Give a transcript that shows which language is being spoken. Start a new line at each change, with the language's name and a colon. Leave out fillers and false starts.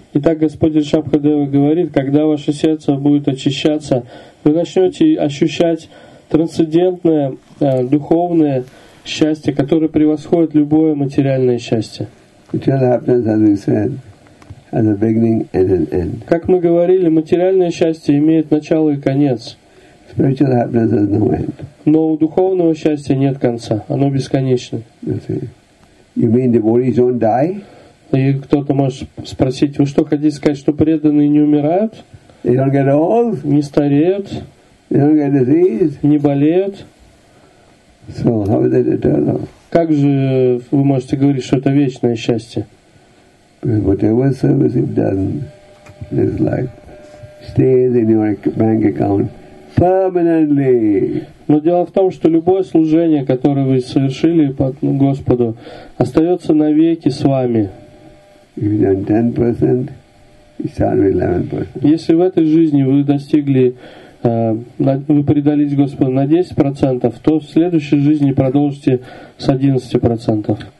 Russian: Итак, Господь Ришабхадева говорит, когда ваше сердце будет очищаться, вы начнете ощущать трансцендентное духовное счастье, которое превосходит любое материальное счастье.
English: Material happiness, as we said, has a beginning and an end.
Russian: Как мы говорили, материальное счастье имеет начало и конец.
English: Spiritual happiness has no end.
Russian: Но у духовного счастья нет конца, оно бесконечно.
English: You mean devotees don't die?
Russian: И кто-то может спросить, вы что хотите сказать, что преданные не умирают?
English: They don't get old?
Russian: Не стареют?
English: They don't get diseased?
Russian: Не болеют?
English: So how is that eternal?
Russian: Как же вы можете говорить, что это вечное счастье?
English: Whatever service you've done in this life stays in your bank account permanently.
Russian: Но дело в том, что любое служение, которое вы совершили по Господу, остается навеки с вами.
English: If you've done 10%, you start with 11%.
Russian: Если в этой жизни вы достигли вы предались Господу на 10%, то в следующей жизни продолжите с 11%.